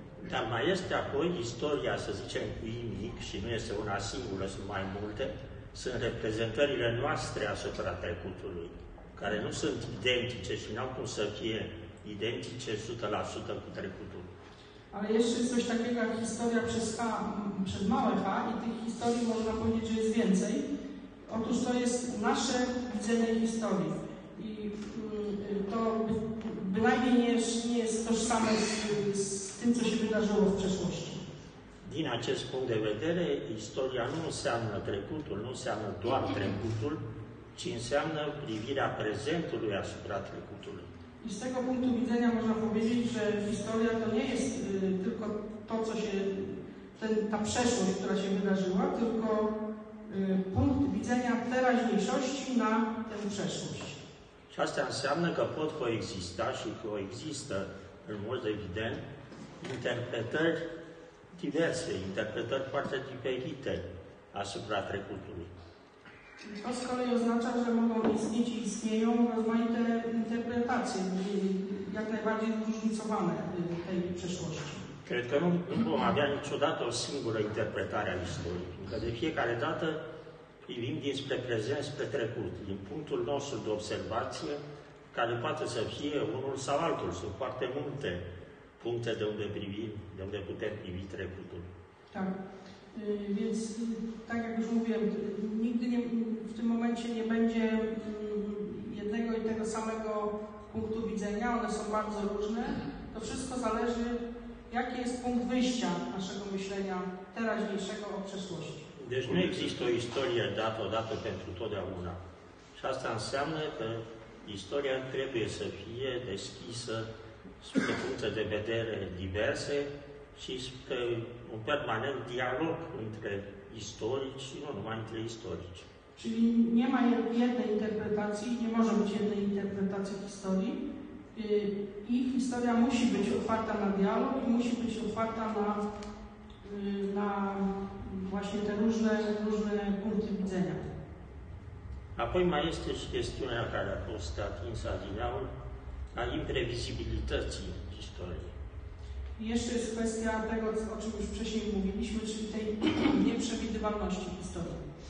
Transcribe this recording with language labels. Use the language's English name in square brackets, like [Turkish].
[Polish] Tam jest [Romanian] apoi historia, să zicem, cu I mic, și nu este una singură, sunt mai multe, sunt reprezentările noastre asupra trecutului, care nu sunt identice și nu au cum să fie identice 100% cu trecutul. [Polish] Ale jeszcze jest coś takiego jak historia przez H, przez małe H, i tych historii można powiedzieć, że jest więcej. Otóż to jest nasze widzenie historii. I to bynajmniej nie jest tożsame z tym, co się wydarzyło w przeszłości. [Romanian] Din acest punct de vedere, istoria nu înseamnă trecutul, nu înseamnă doar trecutul, ci înseamnă privirea prezentului asupra trecutului. [Polish] I z tego punktu widzenia można powiedzieć, że historia to nie jest tylko to, co się, ta przeszłość, która się wydarzyła, tylko punkt widzenia teraźniejszości na tę przeszłość. [Romanian] Și asta înseamnă că pot coexista și coexistă, în mod evident, interpretări diverse interpretări foarte diferite asupra trecutului. [Polish] To z kolei oznacza, że mogą istnieć i istnieją rozmaite interpretacje, jak najbardziej różnicowane tej przeszłości. [Romanian] Cred că nu vom avea niciodată o singură interpretare a istoriei, pentru că de fiecare dată privim dinspre prezent, spre trecut, din punctul nostru de observație, care poate să fie unul sau altul. Sunt foarte multe puncte de unde privim, de unde putem privi trecutul. Da. [Polish] Więc, tak jak już mówiłem, nigdy nie, w tym momencie nie będzie jednego i tego samego punktu widzenia, one są bardzo różne. To wszystko zależy, jaki jest punkt wyjścia naszego myślenia teraźniejszego o przeszłości. [Romanian] Deci nu există o istorie dată odată pentru totdeauna. Și asta înseamnă că istoria trebuie să fie deschisă spre puncte de vedere diverse și spre un permanent dialog între istorici și nu numai între istorici. [Polish] Și nie ma jednej interpretacji, nie może być jednej interpretacji historii. I historia musi być otwarta na dialog i musi być otwarta na właśnie te różne punkty widzenia. [Romanian] Apoi mai este și chestiunea care a fost atinsă adineaul, a imprevizibilității istoriei. [Polish] Jeszcze jest kwestia tego, o czym już wcześniej mówiliśmy, czyli tej nieprzewidywalności historii.